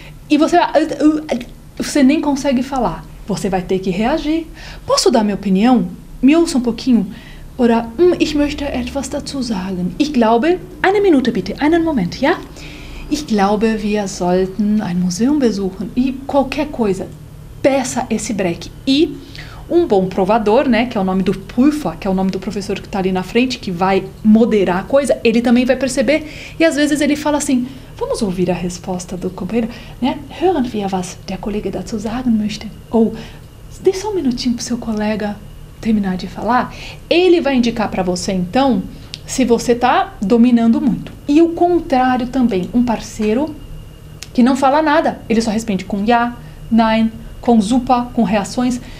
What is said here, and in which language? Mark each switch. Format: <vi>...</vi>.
<pt>E você nem consegue falar. Você vai ter que reagir. Posso dar minha opinião? Me ouça um pouquinho?</pt> <de>Ora, ich möchte etwas dazu sagen. Ich glaube, eine Minute bitte, einen Moment, ja? Ich glaube, wir sollten ein Museum besuchen.</de> <pt>E qualquer coisa. Peça esse break. E um bom provador, né, que é o nome do Prüfer, que é o nome do professor que está ali na frente, que vai moderar a coisa, ele também vai perceber. E às vezes ele fala assim, vamos ouvir a resposta do companheiro, né?</pt> <de>Hören wir, was der Kollege dazu sagen möchte.</de> <pt>Ou, dê só um minutinho para o seu colega terminar de falar. Ele vai indicar para você, então, se você está dominando muito. E o contrário também, um parceiro que não fala nada, ele só responde com ja, nein, com zupa, com reações.</pt>